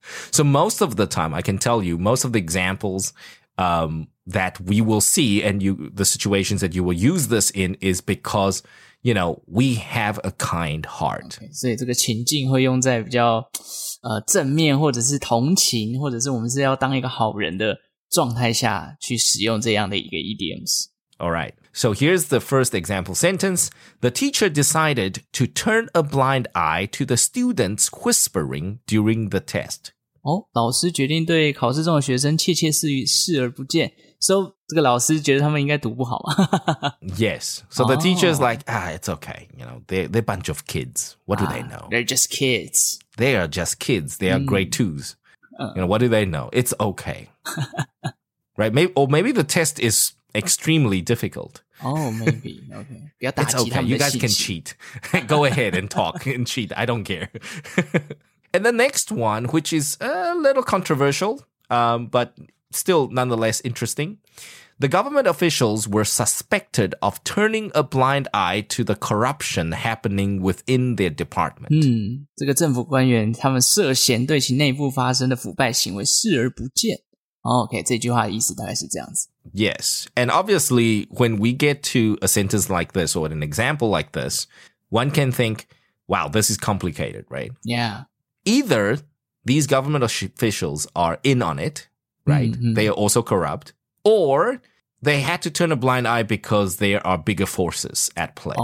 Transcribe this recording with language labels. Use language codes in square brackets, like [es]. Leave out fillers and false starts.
[en] So most of the time, I can tell you, most of the examples、that we will see and the situations that you will use this in is because, you know, we have a kind heart. [zh] Okay, 所以这个情境会用在比较、正面或者是同情或者是我们是要当一个好人的状态下去使用这样的一个 idioms. [en] All right. So here's the first example sentence. The teacher decided to turn a blind eye to the students whispering during the test. [zh] 哦，老师决定对考试中的学生窃窃私语，视而不见。 So 这个老师觉得他们应该读不好吗 [en] ？Yes. So the teacher's like, ah, it's okay. You know, they're a bunch of kids. What do they know? They're just kids. They are just kids. They are grade twos. You know, what do they know? It's okay. Right? Maybe the test is extremely difficult. Oh, maybe. Okay. It's okay. You guys can cheat. Go ahead and talk and cheat. I don't care. And the next one, which is a little controversial, but still nonetheless interesting. The government officials were suspected of turning a blind eye to the corruption happening within their department. [zh] 这个政府官员他们涉嫌对其内部发生的腐败行为视而不见。 OK, 这句话的意思大概是这样子。 [en] Yes, and obviously when we get to a sentence like this or an example like this, one can think, wow, this is complicated, right? Yeah. Either these government officials are in on it, right? Mm-hmm. They are also corrupt. Or they had to turn a blind eye because there are bigger forces at play.